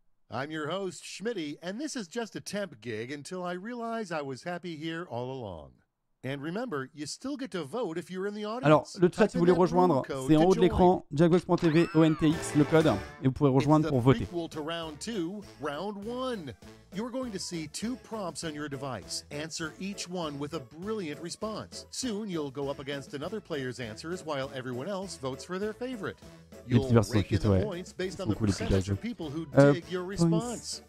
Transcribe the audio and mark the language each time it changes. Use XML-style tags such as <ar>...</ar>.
<en>I'm your host Schmitty and this is just a temp gig until I realize I was happy here all along. And remember, you still get to vote if you're in the audience.</en> <fr>Alors, le chat, si vous voulez rejoindre, c'est en haut de l'écran, jackbox.tv, ONTX, le code, et vous pourrez rejoindre pour voter.</fr> <en>It's the prequel to round two, round one. You're going to see two prompts on your device. Answer each one with a brilliant response. Soon, you'll go up against another player's answers while everyone else votes for their favorite. You'll rake in the points based on the percentage of people who dig your response.</en>